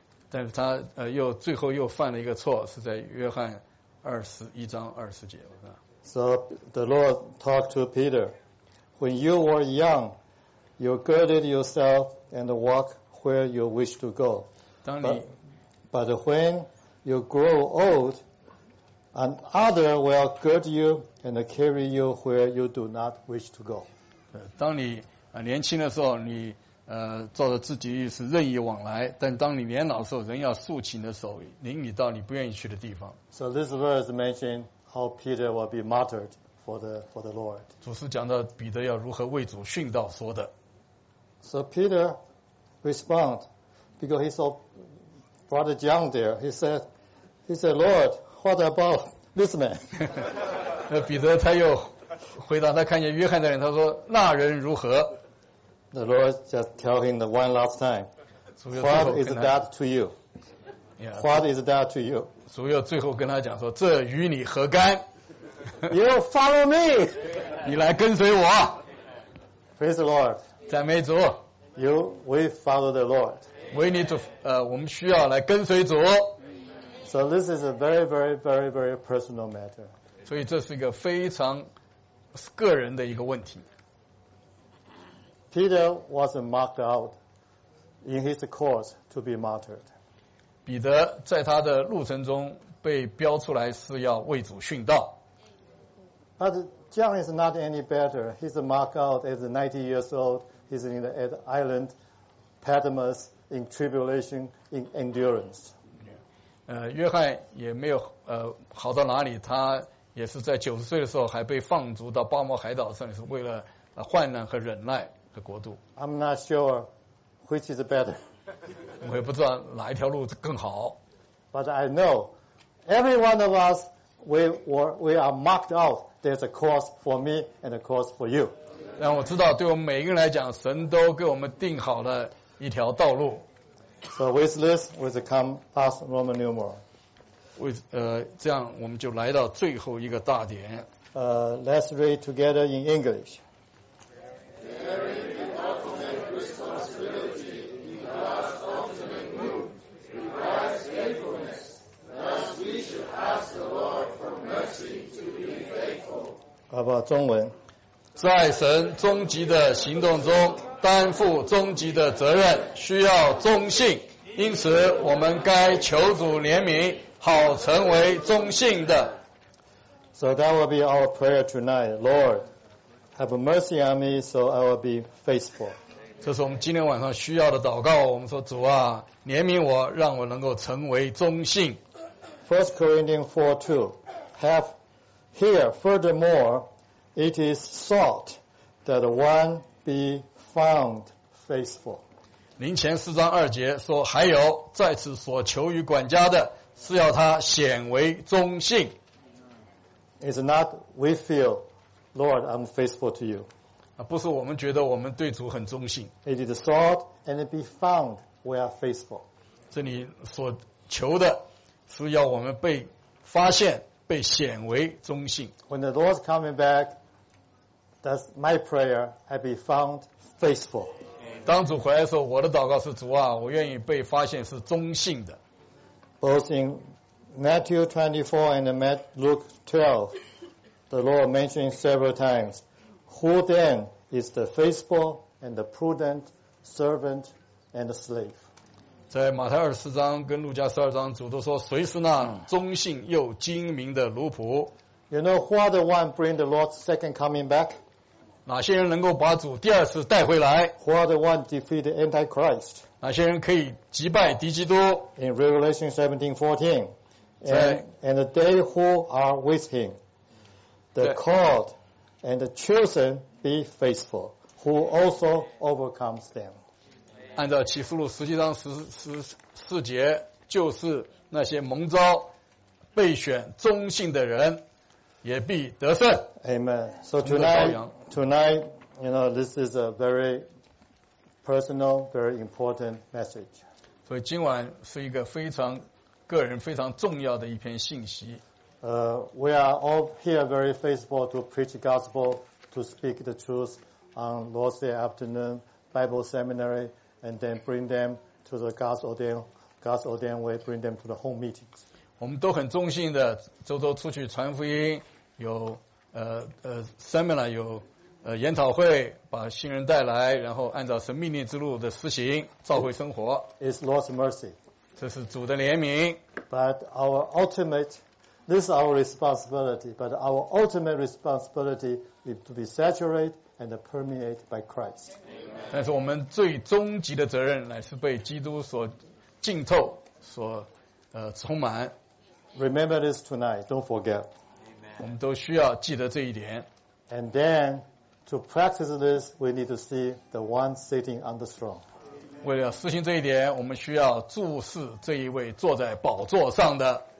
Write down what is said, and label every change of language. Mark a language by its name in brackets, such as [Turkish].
[Chinese] 但是他又最后又犯了一个错，是在约翰21章20节。 [English] So the Lord talked to Peter. When you were young, you girded yourself and walked where you wished to go. But when you grow old,And other will gird you and carry you where you do not wish to go. [Chinese] 当你年轻的时候，你照着自己意思任意往来；但当你年老的时候，人要竖起你的手，领你到你不愿意去的地方。 [English] So this verse mentions how Peter will be martyred for the Lord. [Chinese] 主是讲到彼得要如何为主殉道说的。 [English] So Peter responds because he saw Brother John there. He said, Lord. What about this man? [Chinese] 那彼得他又回答，他看见约翰的人，他说：“那人如何？” [English] The Lord just tell him the one last time. What is that to you? Yeah, What is that to you? [Chinese] 主又最后跟他讲说：“这与你何干？” [English] You follow me. [Chinese] 你来跟随我。 [English] Praise the Lord. [Chinese] 赞美主。 [English] We follow the Lord. We need to [Chinese] 我们需要来跟随主。 [English] So this is a very, very, very, very personal matter. [Chinese] 所以这是一个非常个人的一个问题。 [English] Peter was marked out in his course to be martyred. [Chinese] 彼得在他的路程中被标出来是要为主殉道。 [English] But John is not any better. He's marked out as 90 years old. He's in the island Patmos in tribulation, in endurance. [Chinese] 约翰也没有好到哪里，他也是在90岁的时候还被放逐到巴摩海岛上，是为了患难和忍耐的国度。 [English] I'm not sure which is better. [Chinese] 我也不知道哪一条路更好。 [English] But I know every one of us we are marked out There's a course for me and a course for you. [Chinese] 让我知道，对我们每一个人来讲，神都给我们定好了一条道路。 [English] So with this, we come past Roman numeral. [Chinese] 这样我们就来到最后一个大点。 [English] Let's read together in English. Bearing the ultimate responsibility, we must ultimate move. We must gentleness, thus we should ask the Lord for mercy to be faithful. [Chinese] 好吧，中文。因此我们该求主怜悯，好成为忠信的。 [English] So that will be our prayer tonight. Lord, have mercy on me so I will be faithful. [Chinese] 这是我们今天晚上需要的祷告。我们说主啊，怜悯我，让我能够成为忠信。 [English] 1 Corinthians 4:2 Have here furthermore, it is sought that one be found faithful. [Chinese] 林前四章二节说，还有在此所求于管家的，是要他显为忠信。 [English] It's not we feel, Lord, I'm faithful to you. [Chinese] 不是我们觉得我们对主很忠信。 [English] It is sought and be found we are faithful. [Chinese] 这里所求的是要我们被发现，被显为忠信。 [English] When the Lord's coming back, that's my prayer, I be found faithful. [Chinese] 当主回来的时候，我的祷告是主啊，我愿意被发现是忠信的。 [English] Both in Matthew 24 and Luke 12, the Lord mentioned several times, who then is the faithful and the prudent servant and the slave? [Chinese] 在马太24章跟路加12章，主都说谁是那忠信又精明的奴仆。 [English] You know who are the one bring the Lord's second coming back? [Chinese] 哪些人能够把主第二次带回来？ [English] Who are the one defeat the Antichrist? [Chinese] 哪些人可以击败敌基督？ [English] In Revelation 17:14,And they who are with him, the called and the chosen be faithful, who also overcomes them. [Chinese] 按照启示录17章14节，就是那些蒙召被选忠信的人也必得胜。 [English] Amen. So tonight, you know, this is a very personal, very important message. [Chinese] 所以今晚是一个非常个人非常重要的一篇信息。 [English] We are all here very faithful to preach gospel, to speak the truth on Lord's Day afternoon Bible seminary, and then bring them to the God's ordained way, bring them to the home meetings. [Chinese] 我们都很忠心的，周周出去传福音，有seminar, 有研讨会，把新人带来，然后按照神命令之路的施行，召会生活。 [English] It's Lord's mercy. [Chinese] 这是主的怜悯。 [English] But our ultimate, this is our responsibility, but our ultimate responsibility is to be saturated and permeated by Christ. [Chinese] 但是我们最终极的责任乃是被基督所浸透，所充满。 [English] Remember this tonight, don't forget. [Chinese] 我们都需要记得这一点。 [English] And then, to practice this, we need to see the one sitting on the throne. [Chinese] 为了实行这一点，我们需要注视这一位坐在宝座上的。